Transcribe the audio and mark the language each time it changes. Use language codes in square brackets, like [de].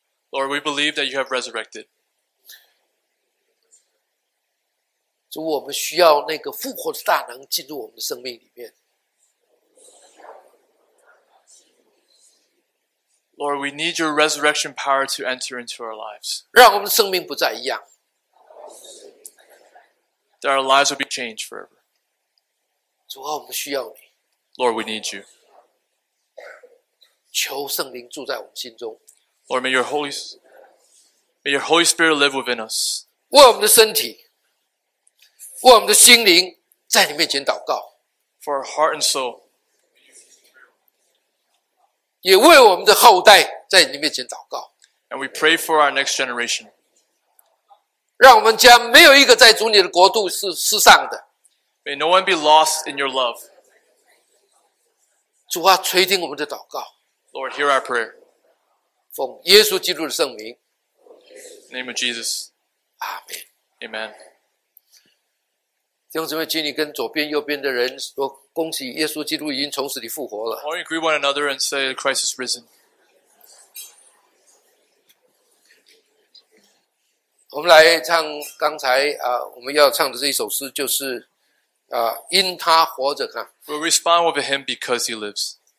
[en] Lord, we believe that you have resurrected. [zh] 主，我们需要那个复活的大能进入我们的生命里面。 [en] Lord, we need your resurrection power to enter into our lives. [zh] 让我们的生命不再一样。 [en] That our lives will be changed forever. [zh] 主啊，我们需要你。 [en] Lord, we need you. [zh] 求圣灵住在我们心中。 [en] Lord, may your Holy Spirit live within us. [zh] 为我们的身体，为我们的心灵，在你面前祷告。 [en] For our heart and soul. [zh] 也为我们的后代，在你面前祷告。 [en] And we pray for our next generation. [zh] 让我们家没有一个在主你的国度是失丧的。 [en] May no one be lost in your love. [zh] 主啊，垂听我们的祷告。 [en] Lord, hear our prayer. [zh] 奉耶稣基督的圣名。 [en] In the name of Jesus. Amen. Amen. [zh] 弟兄姊妹，请你跟左边、右边的人说：“恭喜耶稣基督已经从死里复活了。” [en] Or you greet one another and say, "Christ is risen." [zh] 我们来唱刚才啊，我们要唱的这一首诗就是啊，因他活着看。 [en] We'll respond with a hymn because he lives.